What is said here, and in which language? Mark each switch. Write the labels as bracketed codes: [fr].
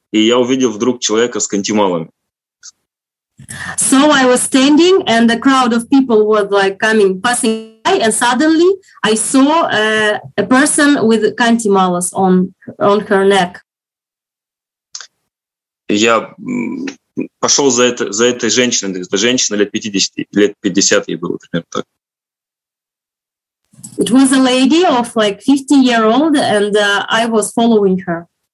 [ru] И я увидел вдруг человека с кантималами. [en] So I was standing, and the crowd of people was like coming, passing by, and suddenly I saw a person with kantimalas on her neck. [ru] Я пошел за этой женщиной. Эта женщина лет 50 ей было, например, так. [en] It was a lady of like 50-year-old, and I was following her.